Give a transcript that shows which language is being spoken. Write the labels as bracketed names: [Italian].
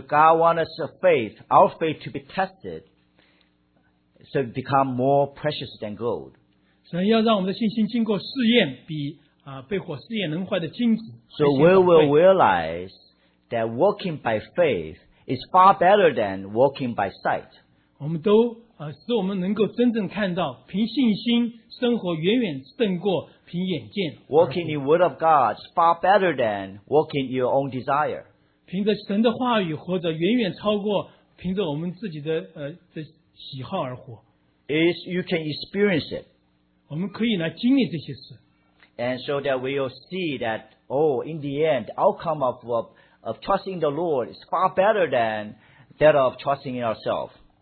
[English] God wants us a faith, our faith to be tested. So it become more precious than gold. [Chinese] 神要让我们的信心经过试验，比被火试验能坏的金子。 [English] So we will realize that walking by faith is far better than walking by sight. [Chinese] 我们都使我们能够真正看到，凭信心生活远远胜过凭眼见。 [English] Walking in word of God is far better than walking your own desire. [Chinese] 凭着神的话语活着，远远超过凭着我们自己的喜好而活。 [English] Is you can experience it. [Chinese] 我们可以来经历这些事。 [English] And so that we will see that, oh, in the end, the outcome of trusting the Lord is far better than that of trusting in ourselves.